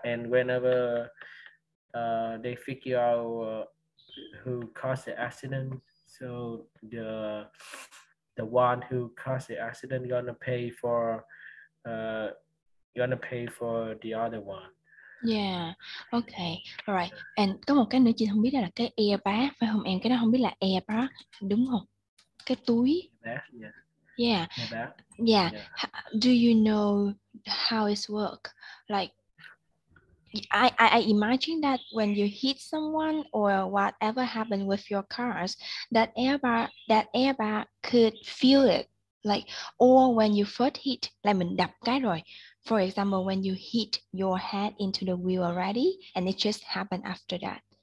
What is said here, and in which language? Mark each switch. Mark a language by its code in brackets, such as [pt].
[en] and whenever they figure out who caused the accident, so the one who caused the accident gonna pay for the other one. Yeah, okay, all right. [vi] And có một cái nữa chị không biết là cái airbag phải không em, cái đó không biết là airbag đúng không, cái túi. [en] Yeah. Do you know how it's work? Like, I imagine that when you hit someone or whatever happened with your cars, that airbag could feel it. Like, or when you first hit, like [vi] mình đập cái rồi. [en] For example, when you hit your head into the wheel already, and it just happened after that.